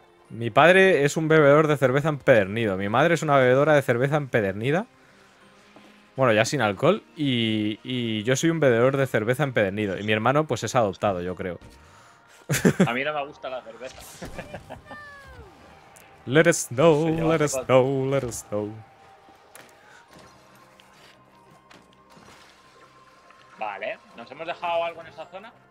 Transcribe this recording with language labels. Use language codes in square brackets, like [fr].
[es] Mi padre es un bebedor de cerveza empedernido. Mi madre es una bebedora de cerveza empedernida. Bueno, ya sin alcohol. Y yo soy un bebedor de cerveza empedernido. Y mi hermano, pues es adoptado, yo creo. A mí no me gusta la cerveza. [en] Let us know, let us know, let us know. [es] Vale, ¿nos hemos dejado algo en esa zona?